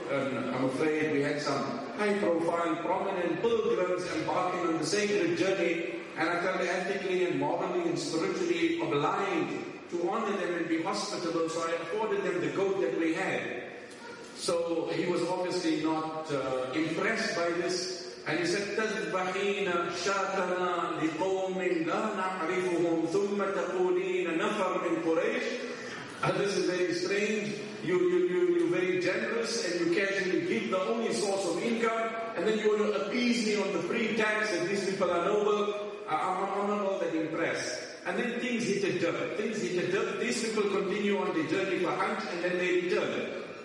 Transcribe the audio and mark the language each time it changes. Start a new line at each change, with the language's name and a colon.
English: And I'm afraid we had some high-profile, prominent pilgrims embarking on the sacred journey, and I felt ethically and morally and spiritually obliged to honor them and be hospitable, so I afforded them the goat that we had. So he was obviously not impressed by this. And he said,
Arabic: تَذْبَحِينَ شَاتَنَا لِقَوْمٍ لَا نَعْرِفُهُمْ ثُمَّ تَقُولِينَ نَفَرْ مِنْ قُرَيْشٍ.
English: This is very strange. You're very generous and you casually give the only source of income, and then you want to appease me on the pretext that these people are noble. I'm not all that impressed. And then things hit a dirt. These people continue on the journey for hunt and then they return.